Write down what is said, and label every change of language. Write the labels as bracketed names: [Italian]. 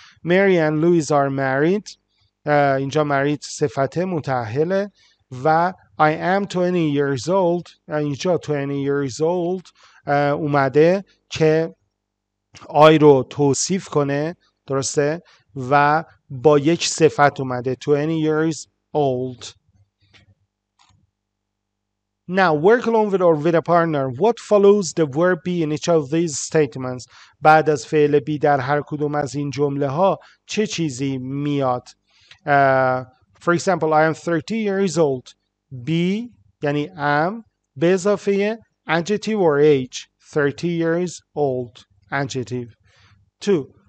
[English] Mary and Louise are married. [Persian] اینجا married صفته متأهله و [English] I am 20 years old. [Persian] اینجا 20 years old اومده که آی رو توصیف کنه، درسته؟ و با یک صفت اومده 20 years old. [English] Now, work alone with or with a partner. What follows the verb be in each of these statements? [Persian] بعد از فعل be در هر کدوم از این جمله ها چه چیزی میاد؟ [English] For example, I am 30 years old. Be یعنی am به اضافه adjective or age. 30 years old. Adjective. 2.